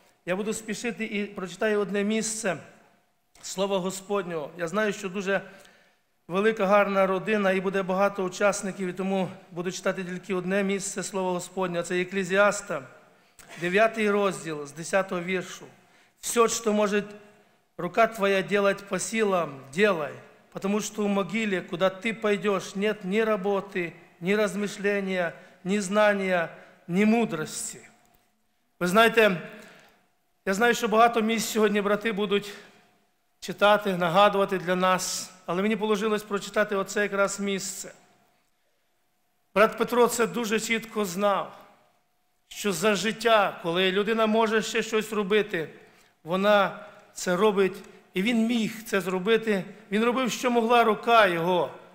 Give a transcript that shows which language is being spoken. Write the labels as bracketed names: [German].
[Ukrainian] Я буду спішити і прочитаю одне місце Слова Господнього. Я знаю, що дуже велика, гарна родина і буде багато учасників, і тому буду читати тільки одне місце Слова Господнього. Це Екклезіаста, 9 розділ з 10 віршу. [Russian] «Все, що може рука твоя делать по силам, делай, потому что в могиле, куда ты пойдешь, нет ни работы, ни размышления, ни знания, ни мудрости». [Ukrainian] Ви знаєте, я знаю, що багато місць сьогодні брати будуть читати, нагадувати для нас, але мені положилось прочитати оце якраз місце. Брат Петро це дуже чітко знав, що за життя, коли людина може ще щось робити, вона це робить, і він міг це зробити, він робив, що могла рука його.